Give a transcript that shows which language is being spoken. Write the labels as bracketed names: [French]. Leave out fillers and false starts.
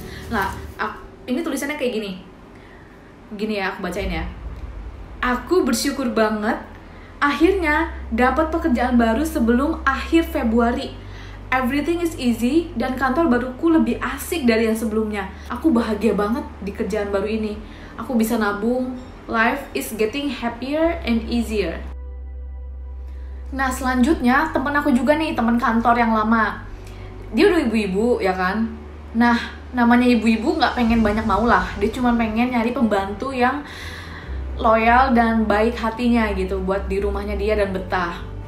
[Indonesian] Nah, ini tulisannya kayak gini. Gini ya, aku bacain ya. Aku bersyukur banget akhirnya dapat pekerjaan baru sebelum akhir Februari. Everything is easy dan kantor baruku lebih asik dari yang sebelumnya. Aku bahagia banget di kerjaan baru ini. Aku bisa nabung. [English] Life is getting happier and easier. [Indonesian] Nah, selanjutnya teman aku juga nih, teman kantor yang lama. Dia udah ibu-ibu, ya kan? Nah, namanya ibu-ibu nggak pengen banyak maulah. Dia cuma pengen nyari pembantu yang loyal dan baik hatinya gitu buat di rumahnya dia dan betah.